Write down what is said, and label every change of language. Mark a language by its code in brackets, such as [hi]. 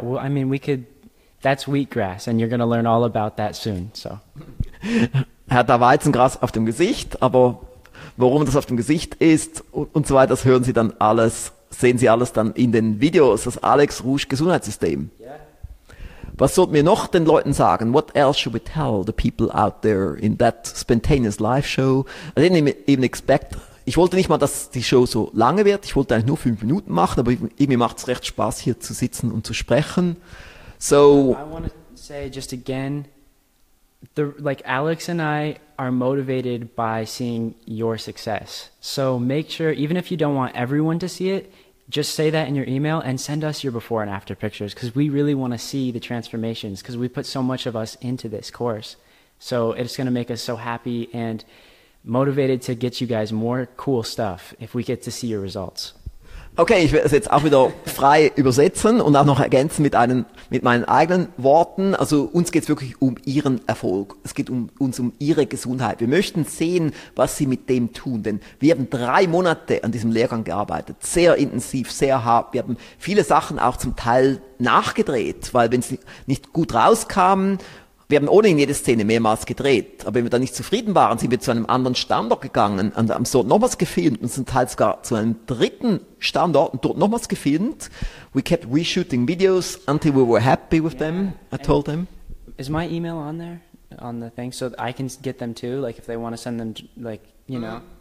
[en] Well, I mean, that's wheatgrass, and you're going to learn all about that soon, so. [de] Er hat da Weizengras auf dem Gesicht, aber warum das auf dem Gesicht ist und so weiter, das hören Sie dann alles, sehen Sie alles dann in den Videos, das Alex Rouge Gesundheitssystem. [en] Yeah. [de] Was sollten wir noch den Leuten sagen? [en] What else should we tell the people out there in that spontaneous live show? I didn't even expect. [de] Ich wollte nicht mal, dass die Show so lange wird. Ich wollte eigentlich nur 5 Minuten machen, aber irgendwie macht es recht Spaß, hier zu sitzen und zu sprechen. [en] So. I want to say just again, like Alex and I are motivated by seeing your success. So make sure, even if you don't want everyone to see it, just say that in your email and send us your before and after pictures, because we really want to see the transformations, because we put so much of us into this course. So it's going to make us so happy and motivated to get you guys more cool stuff if we get to see your results. [de] Okay, ich werde es jetzt auch wieder frei übersetzen und auch noch ergänzen mit meinen eigenen Worten. Also uns geht's wirklich um Ihren Erfolg. Es geht um Ihre Gesundheit. Wir möchten sehen, was Sie mit dem tun. Denn wir haben 3 Monate an diesem Lehrgang gearbeitet. Sehr intensiv, sehr hart. Wir haben viele Sachen auch zum Teil nachgedreht, weil wenn sie nicht gut rauskamen, wir haben ohnehin jede Szene mehrmals gedreht, aber wenn wir da nicht zufrieden waren, sind wir zu einem anderen Standort gegangen und haben so nochmals gefilmt und sind teils sogar zu einem dritten Standort und dort nochmals gefilmt. [en] We kept reshooting videos until we were happy with them, I told them. Is my email on there? On the thing, so I can get them too, like if they want to send them, like, you know.